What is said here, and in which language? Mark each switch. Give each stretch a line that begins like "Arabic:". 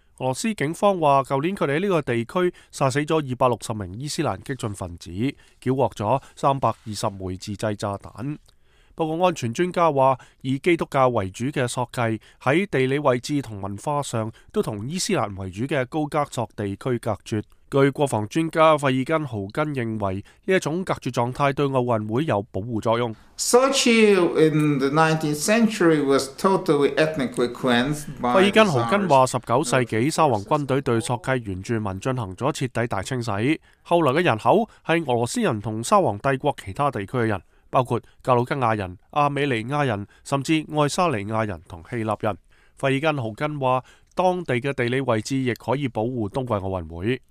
Chinese: 俄罗斯警方说，去年他们在这个地区杀死了260名伊斯兰激进分子，缴获了320枚自制炸弹。不过安全专家说，以基督教为主的索契在地理位置和文化上都和伊斯兰为主的高加索地区隔绝。据国防专家费尔根豪根认为，这种隔绝状态对奥运会有保护作用。
English: Sochi in the 19th century was totally ethnically cleansed by.
Chinese: 费尔根豪根话，19世纪沙皇军队对索契原住民进行了彻底大清洗，后来的人口是俄罗斯人和沙皇帝国其他地区的人，包括格鲁吉亚人、阿美尼亚人，甚至爱沙尼亚人和希腊人。费尔根豪根说，当地的地理位置亦可以保护冬季奥运会。